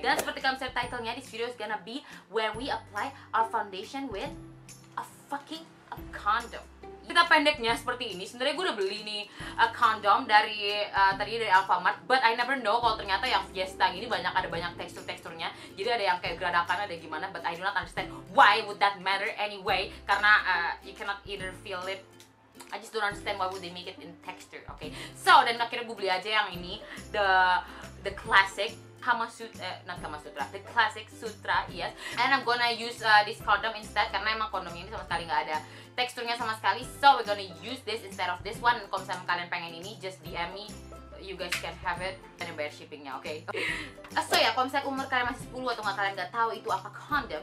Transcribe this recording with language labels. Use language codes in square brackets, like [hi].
[id] Dan seperti kamu share title-nya, [en] this video is gonna be where we apply our foundation with a fucking a condom. [id] Kita pendeknya seperti ini. Sebenarnya gue udah beli nih [en] a condom [id] dari tadi dari Alfamart, [en] but I never know [id] kalau ternyata yang Fiesta ini ada banyak tekstur-teksturnya. Jadi ada yang kayak geradakan, ada gimana, [en] but I do not understand why would that matter anyway, [id] karena [en] you cannot either feel it. I just don't understand why would they make it in texture, okay? [id] So, dan akhirnya gue beli aja yang ini, [en] the classic Kama Sutra, yes. And I'm gonna use this condom instead, [id] karena emang kondomnya ini sama sekali gak ada teksturnya sama sekali. [en] So, we're gonna use this instead of this one. [id] Kalau misalnya kalian pengen ini, [en] just DM me, you guys can have it, [id] dan bayar shippingnya, okay? So ya, kalau misalnya umur kalian masih 10 atau gak, kalian gak tahu itu apa condom.